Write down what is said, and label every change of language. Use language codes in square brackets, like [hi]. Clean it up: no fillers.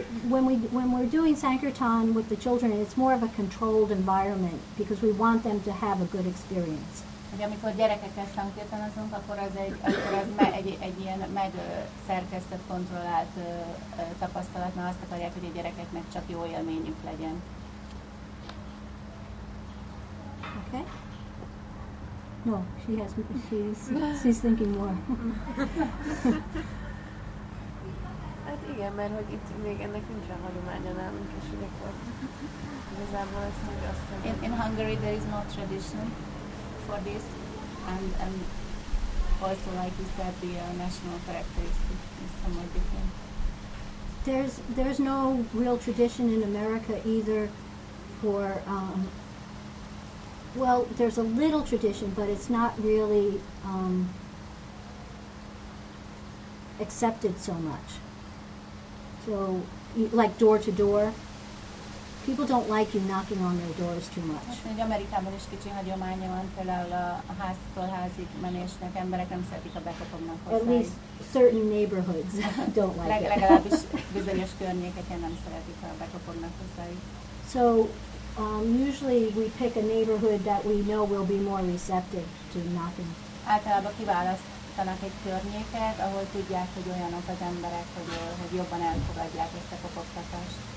[en] When we're doing Sankirtan with the children, it's more of a controlled environment because we want them to have a good experience. [hu] Ugye, amikor gyerekekkel szankirtanozunk, akkor az egy ilyen megszerkesztett, kontrollált tapasztalat, mert azt akarják, hogy a gyerekeknek csak jó élményük legyen. [en] Okay. No, she's thinking more. [hu] Hát igen, mert hogy itt még ennek nincsen hagyománya nálunk, és hogy akkor igazából ezt még azt mondjuk. [en] In Hungary there is no tradition for this, and also like you said, the national characteristic is somewhat different. There's no real tradition in America either for, well, there's a little tradition, but it's not really accepted so much. So, like door to door, people don't like you knocking on their doors too much. [hu] Egy Amerikában is kicsi hagyománya van, például a háztól házig menésnek, emberek nem szeretik a bekopognak hozzá. [en] At least certain neighborhoods don't like it. [hu] Legalábbis bizonyos környékeken nem szeretik a bekopognak hozzá. [en] So, usually we pick a neighborhood that we know will be more receptive to knocking. [hu] Általában kiválasztanak egy környéket, ahol tudják, hogy olyanok az emberek, hogy jobban elfogadják ezt a kopogtatást.